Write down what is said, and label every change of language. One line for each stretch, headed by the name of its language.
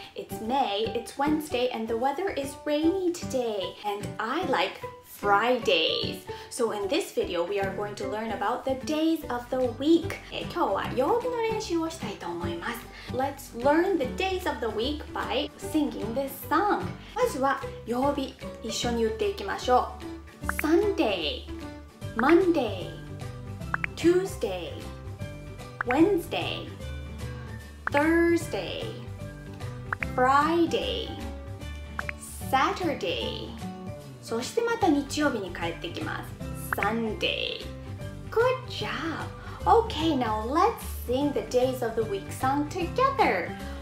English: It's May, it's Wednesday, and the weather is rainy today. And I like Fridays. So in this video, we are going to learn about the days of the week.
Japanese: 今日は曜日の練習をしたいと思います。
English: Let's learn the days of the week by singing this song.
Japanese: まずは曜日、一緒に言っていきましょう。
English: Sunday, Monday, Tuesday,Wednesday, Thursday, Friday, Saturday.
Japanese: そしてまた日曜日に帰ってきます。
English: Sunday. Good job! Okay, now let's sing the days of the week song together.